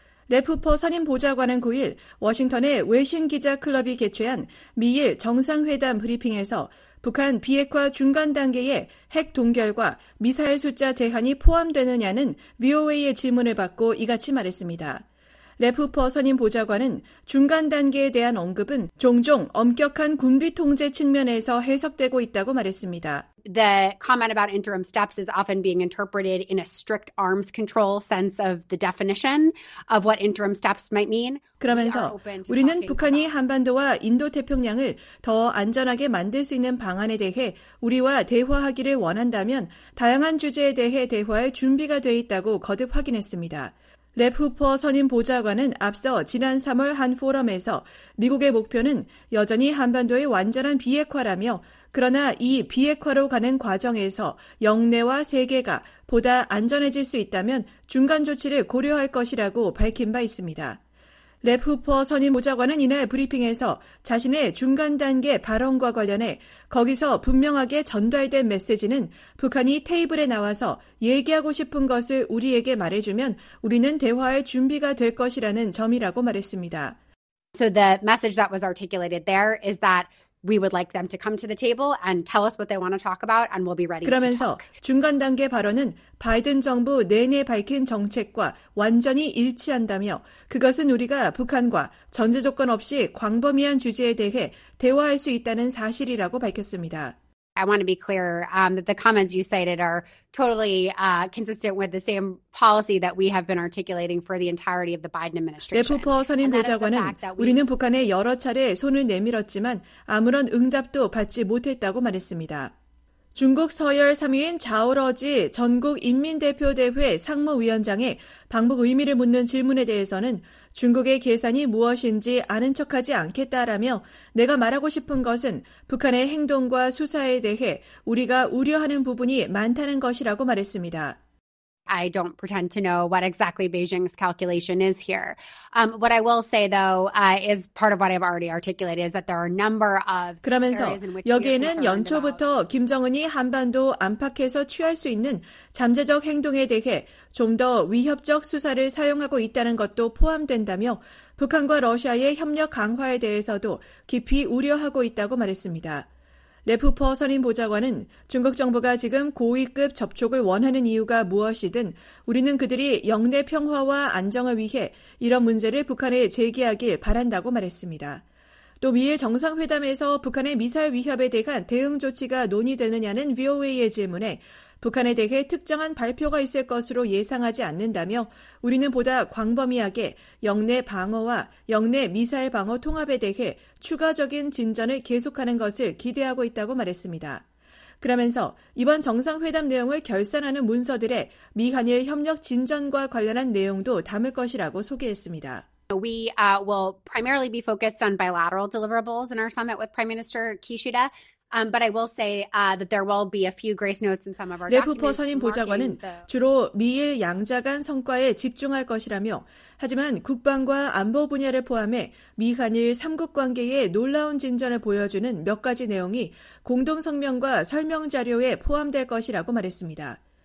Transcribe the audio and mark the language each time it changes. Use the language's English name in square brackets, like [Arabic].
[Korean] 랩 후퍼 선임 보좌관은 9일 워싱턴의 외신 기자 클럽이 개최한 미일 정상회담 브리핑에서 북한 비핵화 중간 단계에 핵 동결과 미사일 숫자 제한이 포함되느냐는 VOA의 질문을 받고 이같이 말했습니다. 랩 후퍼 선임 보좌관은 중간 단계에 대한 언급은 종종 엄격한 군비 통제 측면에서 해석되고 있다고 말했습니다. [English] The comment about interim steps is often being interpreted in a strict arms control sense of the definition of what interim steps might mean. [Korean] 그러면서 우리는 북한이 한반도와 인도태평양을 더 안전하게 만들 수 있는 방안에 대해 우리와 대화하기를 원한다면 다양한 주제에 대해 대화할 준비가 돼 있다고 거듭 확인했습니다. 랩 후퍼 선임 보좌관은 앞서 지난 3월 한 포럼에서 미국의 목표는 여전히 한반도의 완전한 비핵화라며 그러나 이 비핵화로 가는 과정에서 영내와 세계가 보다 안전해질 수 있다면 중간 조치를 고려할 것이라고 밝힌 바 있습니다. 랩 후퍼 선임 보좌관은 이날 브리핑에서 자신의 중간 단계 발언과 관련해 거기서 분명하게 전달된 메시지는 북한이 테이블에 나와서 얘기하고 싶은 것을 우리에게 말해주면 우리는 대화할 준비가 될 것이라는 점이라고 말했습니다. [English] So the message that was articulated there is that we would like them to come to the table and tell us what they want to talk about and we'll be ready to talk. [Korean] 그러면서 중간 단계 발언은 바이든 정부 내내 밝힌 정책과 완전히 일치한다며 그것은 우리가 북한과 전제 조건 없이 광범위한 주제에 대해 대화할 수 있다는 사실이라고 밝혔습니다. [English] I want to be clear that the comments you cited are totally consistent with the same policy that we have been articulating for the entirety of the Biden administration. [Korean] 레프퍼 선임 보좌관은 우리는 북한에 여러 차례 손을 내밀었지만 아무런 응답도 받지 못했다고 말했습니다. 중국 서열 3위인 자오러지 전국인민대표대회 상무위원장의 방북 의미를 묻는 질문에 대해서는 중국의 계산이 무엇인지 아는 척하지 않겠다라며 내가 말하고 싶은 것은 북한의 행동과 수사에 대해 우리가 우려하는 부분이 많다는 것이라고 말했습니다. [English] I don't pretend to know what exactly Beijing's calculation is here. What I will say, though, is part of what I've already articulated is that there are a number of [Korean] 그러면서 여기에는 연초부터 김정은이 한반도 안팎에서 취할 수 있는 잠재적 행동에 대해 좀 더 위협적 수사를 사용하고 있다는 것도 포함된다며 북한과 러시아의 협력 강화에 대해서도 깊이 우려하고 있다고 말했습니다. 레프퍼 선임 보좌관은 중국 정부가 지금 고위급 접촉을 원하는 이유가 무엇이든 우리는 그들이 영내 평화와 안정을 위해 이런 문제를 북한에 제기하길 바란다고 말했습니다. 또 미일 정상회담에서 북한의 미사일 위협에 대한 대응 조치가 논의되느냐는 VOA의 질문에 북한에 대해 특정한 발표가 있을 것으로 예상하지 않는다며 우리는 보다 광범위하게 영내 방어와 영내 미사일 방어 통합에 대해 추가적인 진전을 계속하는 것을 기대하고 있다고 말했습니다. 그러면서 이번 정상회담 내용을 결산하는 문서들에 미한일 협력 진전과 관련한 내용도 담을 것이라고 소개했습니다. [English] We will primarily be focused on bilateral deliverables in our summit with Prime Minister Kishida. But I will say that there will be a few grace notes in some of our documents. [Korean] 레프퍼 선임 보좌관은 주로 미일 양자 간 성과에 집중할 것이라며 하지만 국방과 안보 분야를 포함해 미한일 3국 관계에 놀라운 진전을 보여주는 몇 가지 내용이 공동성명과 설명 자료에 포함될 것이라고 말했습니다.